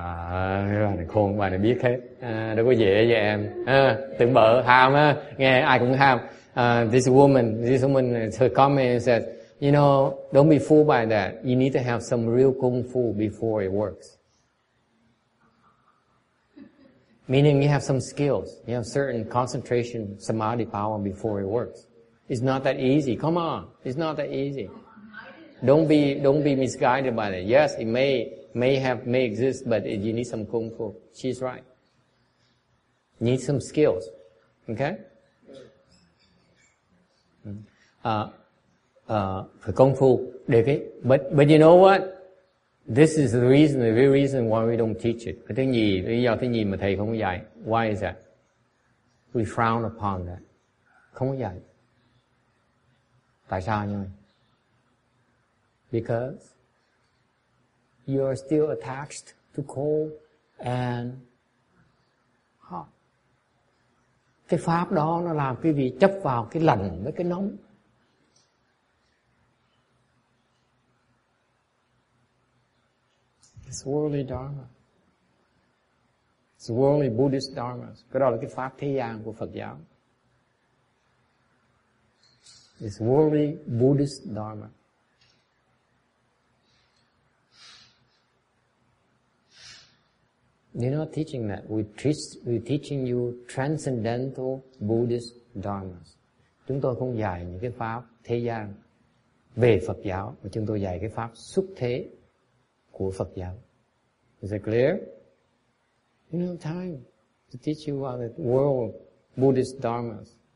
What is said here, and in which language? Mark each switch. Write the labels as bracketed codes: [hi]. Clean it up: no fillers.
[vi] bà này khôn, bà này biết hết. Đâu có dễ vậy em. Tưởng bợ, ham á. Nghe ai cũng ham. [en] This woman, her comment said, you know, don't be fooled by that. You need to have some real kung fu before it works. Meaning you have some skills. You have certain concentration, samadhi power before it works. It's not that easy. Come on. It's not that easy. Don't be misguided by that. Yes, it may exist, but you need some kung fu. She's right. You need some skills. Okay? For kung fu, David. But you know what? This is the reason, the real reason why we don't teach it. [vi] Cái thứ nhì, lý do thứ nhì mà thầy không dạy. [en] Why is that? We frown upon that. [vi] Không dạy. Tại sao anh ơi? [en] Because you are still attached to cold and hot. [vi] Cái pháp đó nó làm quý vị chấp vào cái lạnh với cái nóng. [en] It's worldly dharma. It's worldly Buddhist dharma. [vi] Cái đó là cái pháp thế gian của Phật giáo. [en] It's worldly Buddhist dharma. You're not teaching that. We're teaching you transcendental Buddhist dharmas. [vi] Chúng tôi không dạy những cái pháp thế gian về Phật giáo, mà chúng tôi dạy cái pháp xuất thế của Phật giáo. [en] Is it clear? You don't have time to teach you about the world Buddhist dharmas.